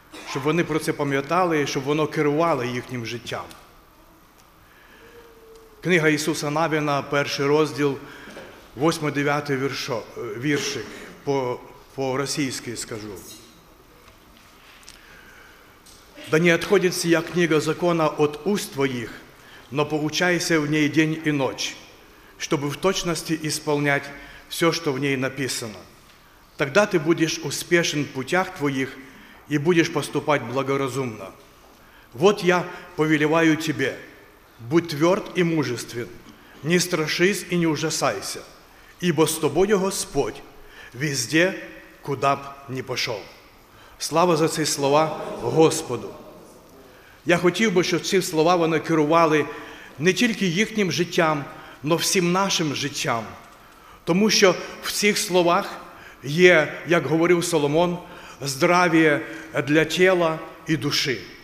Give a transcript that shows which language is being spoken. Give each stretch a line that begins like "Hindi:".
Ukrainian: Щоб вони про це пам'ятали, щоб воно керувало їхнім життям. Книга Ісуса Навіна, перший розділ, 8-9 вірші, по-російськи скажу.
Russian: «Да не отходит сия книга закона от уст твоих, но поучайся в ней день и ночь, чтобы в точности исполнять все, что в ней написано. Тогда ты будешь успешен в путях твоих и будешь поступать благоразумно. Вот я повелеваю тебе, будь тверд и мужествен, не страшись и не ужасайся, ибо с тобою Господь везде, куда б ни пошел».
Ukrainian: Слава за ці слова Господу! Я хотів би, щоб ці слова вони керували не тільки їхнім життям, але всім нашим життям. Тому що в цих словах є, як говорив Соломон, здоров'я для тіла і душі.